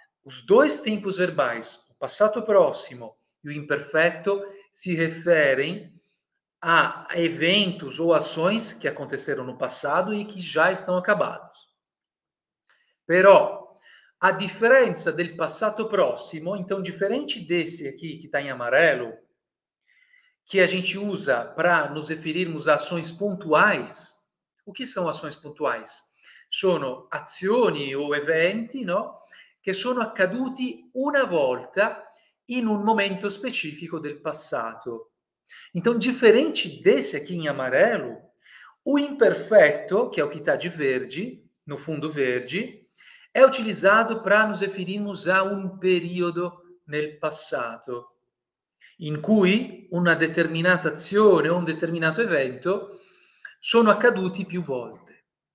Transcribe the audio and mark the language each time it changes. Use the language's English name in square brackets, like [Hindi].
[Portuguese] Os dois tempos verbais, o passato próximo e o imperfeito, se referem a eventos ou ações que aconteceram no passado e que já estão acabados. [Italian] Però, a differenza del passato prossimo, [Portuguese] então, diferente desse aqui que está em amarelo, que a gente usa para nos referirmos a ações pontuais, o que são ações pontuais? [Italian] Sono azioni ou eventi, no? Che sono accaduti una volta in un momento specifico del passato. [Portuguese] Então, diferente desse aqui em amarelo, o imperfeito, que é o que está de verde, no fundo verde, é utilizado para nos referirmos a um período [Italian] nel passato, in cui una determinata azione o un determinato evento sono accaduti più volte.